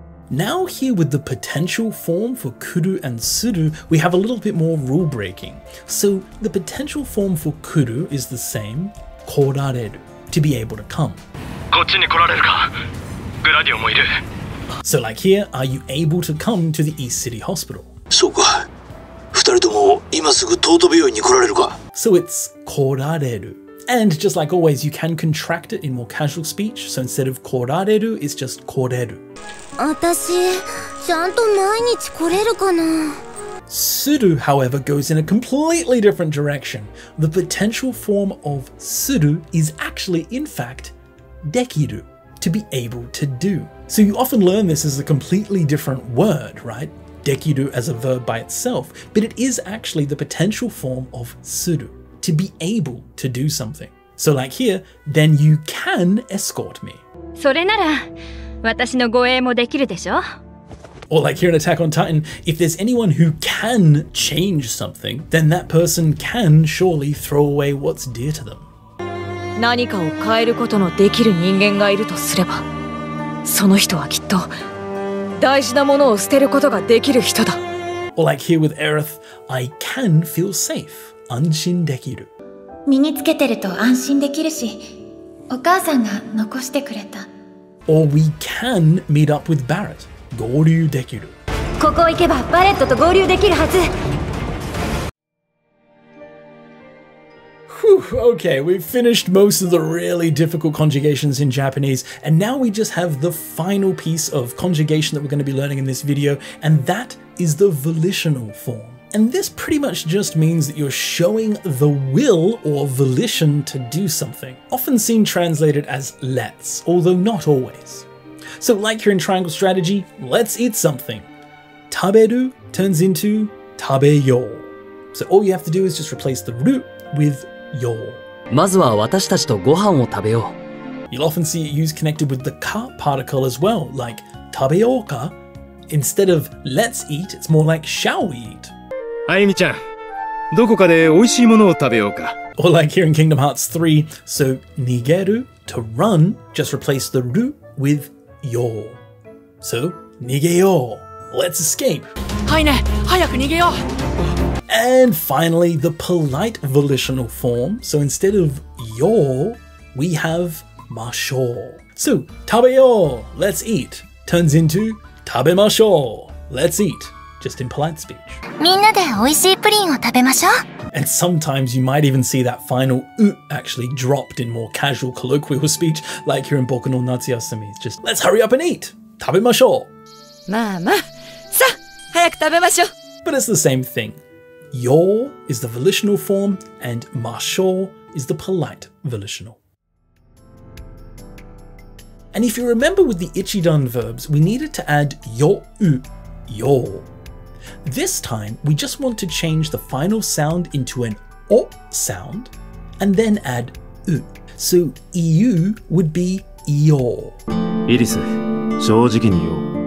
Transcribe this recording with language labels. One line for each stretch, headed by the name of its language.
English: Now, here with the potential form for kuru and suru, we have a little bit more rule breaking. So, the potential form for kuru is the same, korareru, to be able to come.
Japanese: こっちに来られるか?グラディオもいる。
English: So, like here, are you able to come to the East City Hospital?
Japanese: そうか。二人とも今すぐ東都病院に来られるか?
English: So, it's korareru. And just like always, you can contract it in more casual speech. So, instead of korareru, it's just koreru.
Japanese: 私、ちゃんと毎日来れるかな?
English: Suru, however, goes in a completely different direction. The potential form of suru is actually, in fact, dekiru, to be able to do. So you often learn this as a completely different word, right? Dekiru as a verb by itself, but it is actually the potential form of suru, to be able to do something. So like here, then you can escort me.
Japanese: それなら…私の護衛もできるでしょ?
English: Or like here in Attack on Titan, if there's anyone who can change something, then that person can surely throw away what's dear to them.
Japanese: 何かを変えることのできる人間がいるとすれば、その人はきっと大事なものを捨てることができる人だ。
English: Or like here with Aerith, I can feel safe.
Japanese: 安心できる。身につけてると安心できるし、お母さんが残してくれた。
English: Or we can meet up with Barrett.
Japanese: 合流できる。ここ行けばバレットと合流できるはず。
English: Okay, we've finished most of the really difficult conjugations in Japanese, and now we just have the final piece of conjugation that we're going to be learning in this video, and that is the volitional form. And this pretty much just means that you're showing the will or volition to do something, often seen translated as let's, although not always. So like here in triangle strategy, let's eat something. 食べる turns into 食べよ. So all you have to do is just replace the ru with よ.
Japanese: まずは私たちとご飯を食べよう.
English: You'll often see it used connected with the か particle as well, like 食べようか. Instead of let's eat, it's more like shall we eat?
Japanese: あゆみちゃん、どこかで美味しいものを食べようか.
English: Or like here in Kingdom Hearts 3, so 逃げる, to run, just replace the ru with よ. So 逃げよう, let's escape.
Japanese: はいね、早く逃げよう.
English: And finally, the polite volitional form. So instead of yo, we have masho. So, tabeyo, let's eat, turns into tabemasho, let's eat, just in polite speech. みんなで美味しいプリンを食べましょう. And sometimes you might even see that final u actually dropped in more casual colloquial speech, like here in Boku no Natsuyasumi. It's just, let's hurry up and eat, tabemasho. まあまあ、さ、早く食べましょう. But it's the same thing. Yo is the volitional form, and masho is the polite volitional. And if you remember with the ichidan verbs, we needed to add yo-u, yo. This time, we just want to change the final sound into an o sound, and then add u. So, iu would be yo.
Japanese: いいです。正直に言おう。